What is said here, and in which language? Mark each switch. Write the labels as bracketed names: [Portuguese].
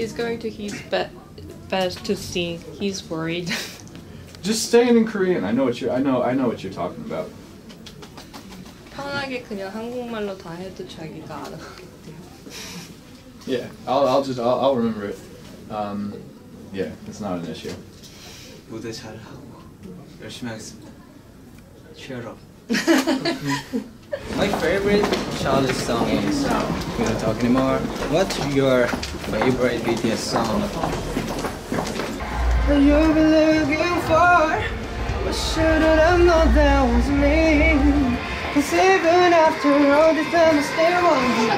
[English] He's going to his best to sing. He's worried. Just saying in Korean. I know what you're talking about. [Korean] 편하게 그냥 한국말로 다 해도 자기가 알아듣대요. [English] Yeah, I'll remember it. Yeah, it's not an issue. [Korean] 무대 잘하고 열심히 하겠습니다. [English] Cheer up. My favorite Charlie song is We Don't Talk Anymore. What's your favorite BTS song? What you've been looking for What should I know that was me Cause even after all this time, I still want you.